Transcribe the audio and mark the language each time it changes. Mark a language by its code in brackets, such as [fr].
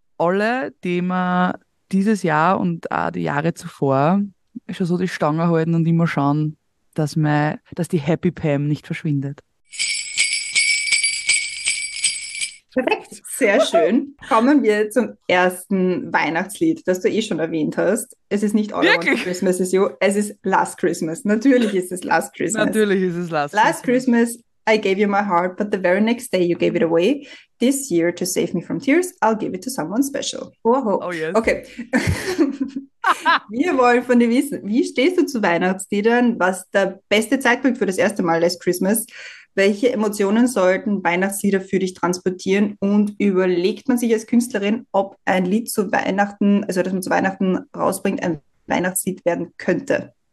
[de] Alle, die mir dieses Jahr und auch die Jahre zuvor schon so die Stange halten und immer schauen, dass die Happy Pam nicht verschwindet. Perfekt, sehr schön. Kommen wir zum ersten Weihnachtslied, das du eh schon erwähnt hast. Es ist nicht All I Want for Christmas Is You, es ist Last Christmas. Natürlich ist es Last Christmas. Natürlich ist es Last [en] Christmas. Last Christmas, I gave you my heart, but the very next day you gave it away. This year, to save me from tears, I'll give it to someone special. Oh, oh. Oh yes. Okay. [de] Wir wollen von dir wissen, wie stehst du zu Weihnachtsliedern? Was der beste Zeitpunkt für das erste Mal Last Christmas? Welche Emotionen sollten Weihnachtslieder für dich transportieren? Und überlegt man sich als Künstlerin, ob ein Lied zu Weihnachten, also das man zu Weihnachten rausbringt, ein Weihnachtslied werden könnte?